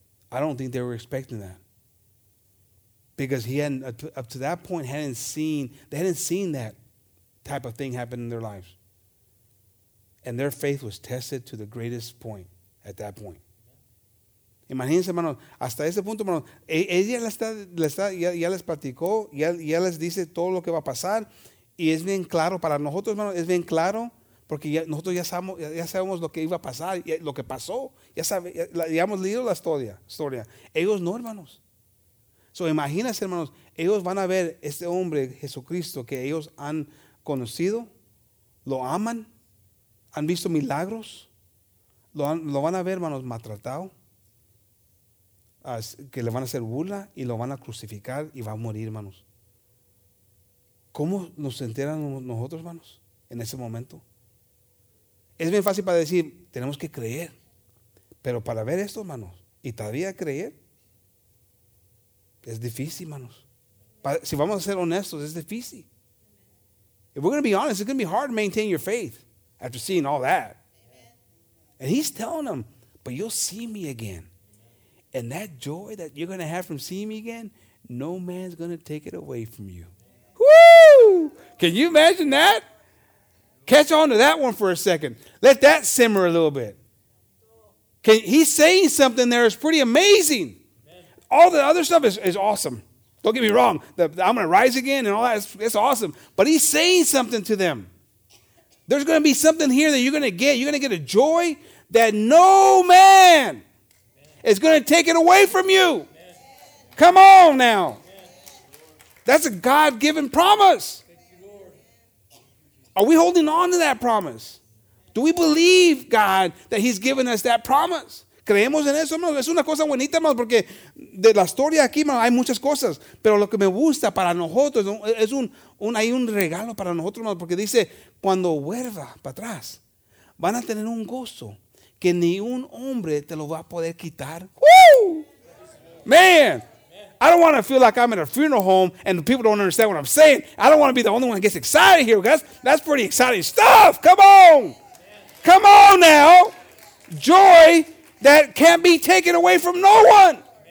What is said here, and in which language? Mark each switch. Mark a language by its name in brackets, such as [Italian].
[English] I don't think they were expecting that. Because he hadn't, up to that point, they hadn't seen that type of thing happen in their lives. And their faith was tested to the greatest point at that point. [Spanish] Imagínense, hermano, hasta ese punto, hermano, ella les platicó, ya les dice todo lo que va a pasar. Y es bien claro para nosotros, hermano, es bien claro porque ya sabemos lo que iba a pasar, lo que pasó. Ya hemos leído la historia. Ellos no, hermanos. So imagínense, hermanos, ellos van a ver este hombre, Jesucristo, que ellos han conocido, lo aman, ¿Han visto milagros? Lo van a ver, hermanos, maltratado. Que le van a hacer burla y lo van a crucificar y va a morir, hermanos. ¿Cómo nos enteran nosotros, hermanos, en ese momento? Es bien fácil para decir, tenemos que creer. Pero para ver esto, hermanos, y todavía creer, es difícil, hermanos. Si vamos a ser honestos, es difícil. [English] If we're going to be honest, it's going to be hard to maintain your faith after seeing all that. Amen. And he's telling them, but you'll see me again. And that joy that you're going to have from seeing me again, no man's going to take it away from you. Woo! Can you imagine that? Catch on to that one for a second. Let that simmer a little bit. He's saying something there is pretty amazing. Amen. All the other stuff is awesome. Don't get me wrong. I'm going to rise again and all that. It's awesome. But he's saying something to them. There's going to be something here that you're going to get. You're going to get a joy that no man is going to take it away from you. Amen. Come on now. Amen. That's a God-given promise. Are we holding on to that promise? Do we believe God that he's given us that promise? [Spanish] Creemos en eso, es una cosa bonita, hermano, porque de la historia aquí, hermano, hay muchas cosas, pero lo que me gusta para nosotros es hay un regalo para nosotros, hermano, porque dice, cuando vuelva para atrás, van a tener un gozo que ni un hombre te lo va a poder quitar. ¡Woo! [English] Man, I don't want to feel like I'm in a funeral home and people don't understand what I'm saying. I don't want to be the only one that gets excited here, guys. That's pretty exciting stuff. Come on. Come on now. Joy that can't be taken away from no one.